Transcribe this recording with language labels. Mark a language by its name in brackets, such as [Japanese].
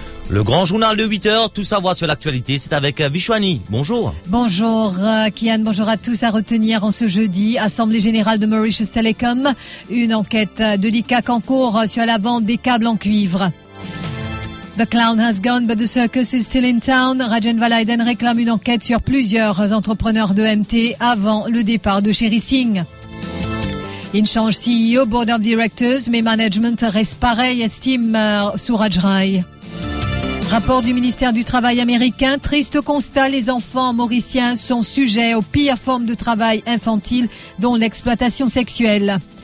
[French] Le grand journal de 8h, tout savoir sur l'actualité, c'est avec Vishwani. Bonjour. Bonjour Kian, bonjour à tous. À retenir en ce jeudi, Assemblée Générale de Mauritius Telecom, une enquête de l'ICAC en cours sur la vente des câbles en cuivre. [English] The clown has gone, but the circus is still in town. [French] Rajan Valaiden réclame une enquête sur plusieurs entrepreneurs de MT avant le départ de Sherry Singh. Il change CEO, Board of Directors, mais management reste pareil, estime Suraj Rai. Rapport du ministère du Travail américain, triste constat, les enfants mauriciens sont sujets aux pires formes de travail infantile, dont l'exploitation sexuelle.